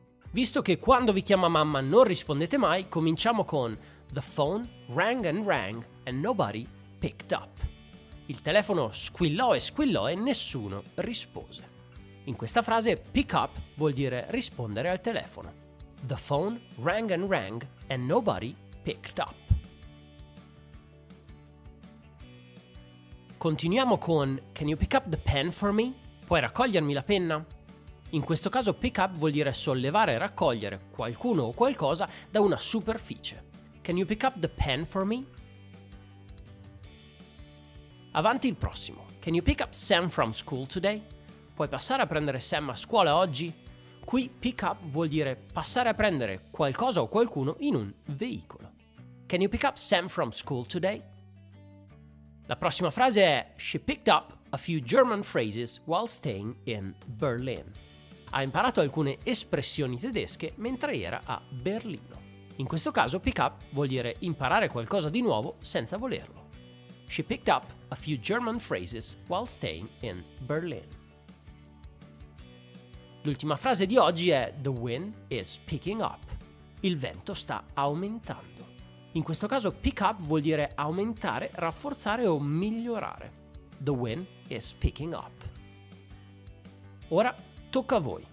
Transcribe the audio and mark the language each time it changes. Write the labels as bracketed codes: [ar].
[it] Visto che quando vi chiama mamma non rispondete mai, cominciamo con [en] The phone rang and rang and nobody picked up. [it] Il telefono squillò e nessuno rispose. In questa frase pick up vuol dire rispondere al telefono. [en] The phone rang and rang and nobody picked up. [it] Continuiamo con [en] Can you pick up the pen for me? [it] Puoi raccogliermi la penna? In questo caso pick up vuol dire sollevare e raccogliere qualcuno o qualcosa da una superficie. [en] Can you pick up the pen for me? [it] Avanti il prossimo. [en] Can you pick up Sam from school today? [it] Puoi passare a prendere Sam a scuola oggi? Qui pick up vuol dire passare a prendere qualcosa o qualcuno in un veicolo. [en] Can you pick up Sam from school today? [it] La prossima frase è [en] She picked up a few German phrases while staying in Berlin. [it] Ha imparato alcune espressioni tedesche mentre era a Berlino. In questo caso pick up vuol dire imparare qualcosa di nuovo senza volerlo. [en] She picked up a few German phrases while staying in Berlin. [it] L'ultima frase di oggi è [en] The wind is picking up. [it] Il vento sta aumentando. In questo caso pick up vuol dire aumentare, rafforzare o migliorare. [en] The wind is picking up. [it] Ora tocca a voi.